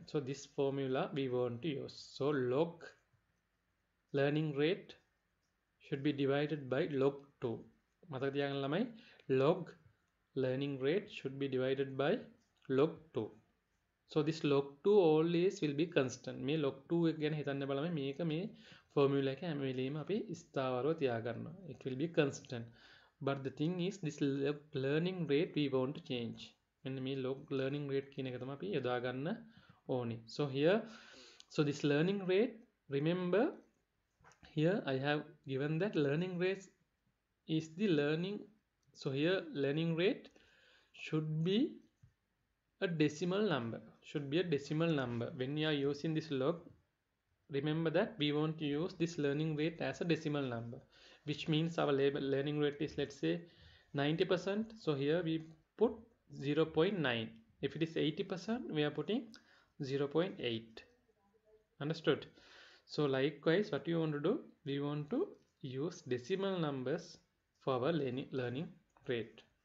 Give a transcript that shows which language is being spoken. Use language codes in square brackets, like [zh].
[en] So this formula we want to use. So log learning rate should be divided by log 2. [si] මතක තියාගන්න ළමයි [en] log learning rate should be divided by log 2. So this log 2 always will be constant. [si] මේ log 2 එක ගැන හිතන්න බලමු මේක මේ formula එක හැම වෙලෙම අපි ස්ථාවරව තියාගන්නවා. [en] It will be constant. But the thing is this learning rate we want to change. [si] මෙන්න මේ log learning rate කියන එක තමයි අපි යොදාගන්න ඕනේ. [en] So here so this learning rate remember here I have given that learning rate is the learning so here learning rate should be a decimal number should be a decimal number when you are using this log remember that we want to use this learning rate as a decimal number which means our learning rate is let's say 90% so here we put 0.9 if it is 80% we are putting 0.8 understood So likewise, what you want to do, we want to use decimal numbers for our learning rate.